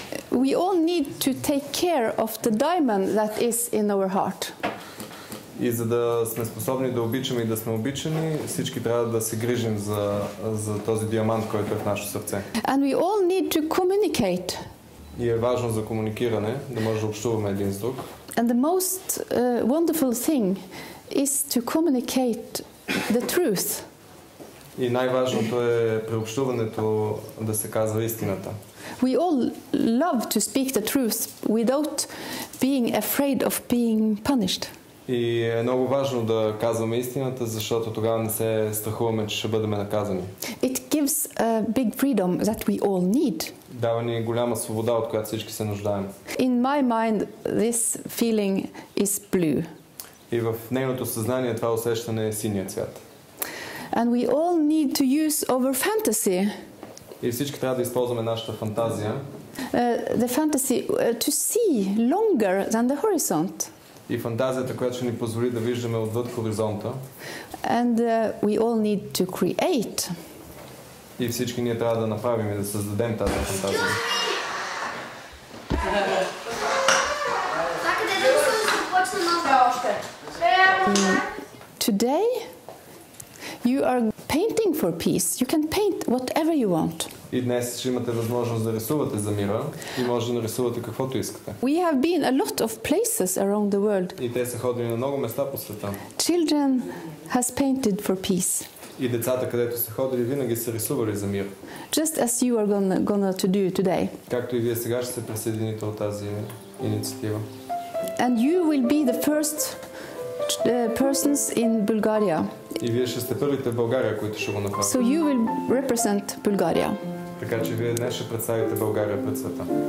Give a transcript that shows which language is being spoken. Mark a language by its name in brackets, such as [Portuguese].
[English] We all need to take care of the diamond that is in our heart. [Bulgarian] И за да сме способни да обичаме и да сме обичани, всички трябва да се грижим за този диамант, който е в нашето сърце. [English] And we all need to communicate. [Bulgarian] И е важно за комуникиране, да може да общуваме един с друг. [English] And the most wonderful thing is to communicate the truth. [Bulgarian] И най-важното е преобщуването да се казва истината. [English] We all love to speak the truth without being afraid of being punished. [Bulgarian] И е много важно да казваме истината, защото тогава не се страхуваме, че ще бъдем наказани. [English] It gives a big freedom that we all need. [Bulgarian] Дава ни голяма свобода, от която всички се нуждаем. [English] In my mind, this feeling is blue. [Bulgarian] И в нейното съзнание това усещане е синия цвят. [English] And we all need to use our fantasy. [Bulgarian] И всички трябва да използваме нашата фантазия. [English] The fantasy to see longer than the horizont. [Bulgarian] И фантазията, която ще ни позволи да виждаме отвъд хоризонта. [English] And we all need to create. [Bulgarian] И всички ние трябва да направим и да създадем тази фантазия. Така, дедо, започна много още. [English] Today you are painting for peace. You can paint whatever you want. [Bulgarian] И днес ще имате възможност да рисувате за мира и може да нарисувате каквото искате. [English] We have been a lot of places around the world. [Bulgarian] И те са ходили на много места по света. [English] Children has painted for peace. [Bulgarian] И децата, където са ходили, винаги са рисували за мир. [English] Just as you are gonna to do today. [Bulgarian] Както и вие сега ще се присъедините от тази инициатива. [English] And you will be the first persons in Bulgaria. [Bulgarian] И вие ще сте първите в България, които ще го направите. [English] So you will represent Bulgaria. [Bulgarian] Така че вие днес ще представите България пред света.